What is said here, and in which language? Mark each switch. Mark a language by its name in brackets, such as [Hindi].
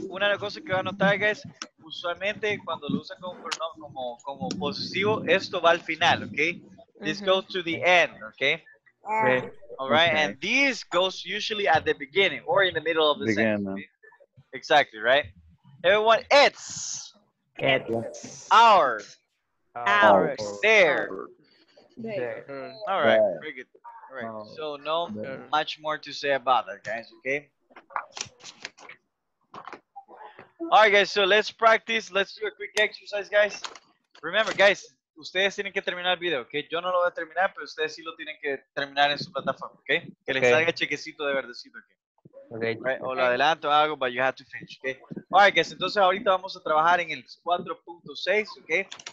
[Spanish] Una de las cosas que va a notar, guys, usualmente cuando lo usan como pronombre como posesivo, esto va al final. [English] Okay. This goes to the end. Okay. Okay. All right. Okay. And this goes usually at the beginning or in the middle of the sentence. Okay? Exactly. Right. Everyone, it's our. Ours. All right, very good. All right, so no much more to say about that, guys, okay? All right, guys, so let's practice. Let's do a quick exercise, guys. Remember, guys, [Spanish] ustedes tienen que terminar el video, okay? Yo no lo voy a terminar, pero ustedes sí lo tienen que terminar en su plataforma, okay? Que les salga chequecito de verdecito, okay? [English] Okay. Right, [Spanish] o lo adelanto algo, [English] but you have to finish, okay? All right, guys, [Spanish] entonces ahorita vamos a trabajar en el 4.6, okay?